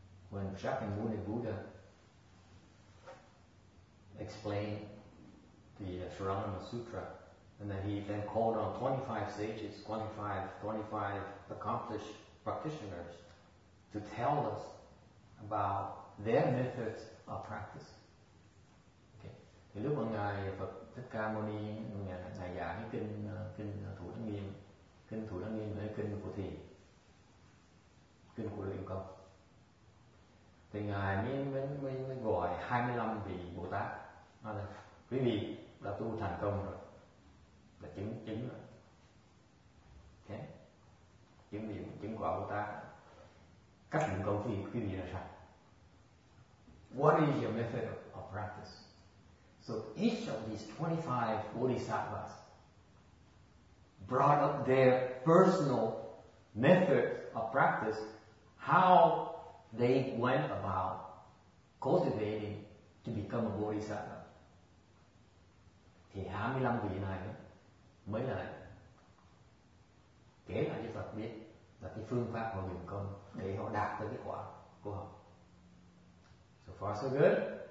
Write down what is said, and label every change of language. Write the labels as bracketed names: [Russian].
[English] When Shakyamuni Buddha explained the Sharanama Sutra, and then he then called on 25 sages, 25 accomplished practitioners to tell us about their methods of practice. Okay. [Vietnamese] Thì lúc mà Ngài Phật Thích Ca Mâu Ni Ngài giảng cái kinh Thủ Lăng Nghiêm với kinh của thiền của luyện công thì ngài mới gọi 25 vị Bồ Tát nói là quý vị đã tu thành công rồi là chứng rồi thế chứng vị chứng quả Bồ Tát cách luyện công thì quý vị là sao [English] what is your method of practice so each of these 25 Bodhisattvas brought up their personal method of practice how they went about cultivating to become a bodhisattva. [Vietnamese] Thì 25 vị này mới là kể lại cho Phật biết là cái phương pháp họ dùng công để họ đạt tới cái quả của họ. [English] So far so good.